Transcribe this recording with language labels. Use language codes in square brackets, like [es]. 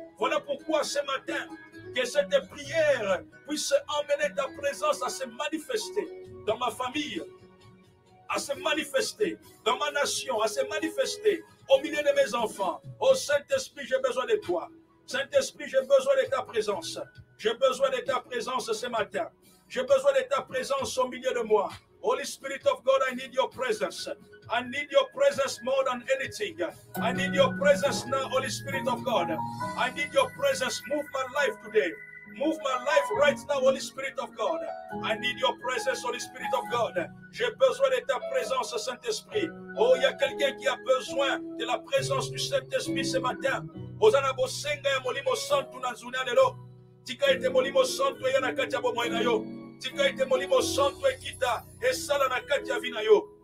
[fr] Voilà pourquoi ce matin, que cette prière puisse emmener ta présence à se manifester dans ma famille, à se manifester dans ma nation, à se manifester au milieu de mes enfants. Oh Saint-Esprit, j'ai besoin de toi. Saint-Esprit, j'ai besoin de ta présence. J'ai besoin de ta présence ce matin. J'ai besoin de ta présence au milieu de moi. [en] Holy Spirit of God, I need your presence. I need your presence more than anything. I need your presence now, Holy Spirit of God. I need your presence. Move my life today. Move my life right now, Holy Spirit of God. I need your presence, Holy Spirit of God. [fr] J'ai besoin de ta présence, Saint-Esprit. Oh, il y a quelqu'un qui a besoin de la présence du Saint-Esprit ce matin. [ln] Hosanna bosenga ya molimo santu na zuna lelo. Tika ete molimo santu ya na katia bo moyena yo. Tika ete molimo santu ekita esala na katia vina yo.